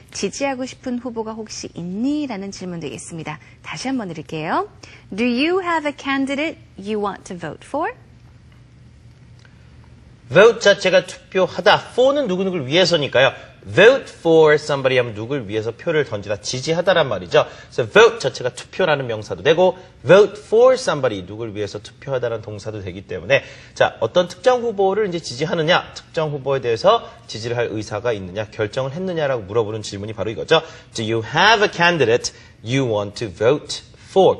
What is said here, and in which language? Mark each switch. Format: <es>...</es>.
<ko>지지하고 싶은 후보가 혹시 있니? 라는 질문 되겠습니다. 다시 한번 드릴게요.</ko> <en>Do you have a candidate you want to vote for?</en> <ko>Vote 자체가 투표하다. For는 누구누구를 위해서니까요. Vote for somebody 하면 누굴 위해서 표를 던지다, 지지하다란 말이죠. So vote 자체가 투표라는 명사도 되고 vote for somebody 누굴 위해서 투표하다라는 동사도 되기 때문에 자 어떤 특정 후보를 이제 지지하느냐, 특정 후보에 대해서 지지를 할 의사가 있느냐, 결정을 했느냐라고 물어보는 질문이 바로 이거죠.</ko> <en>Do you have a candidate you want to vote for?</en>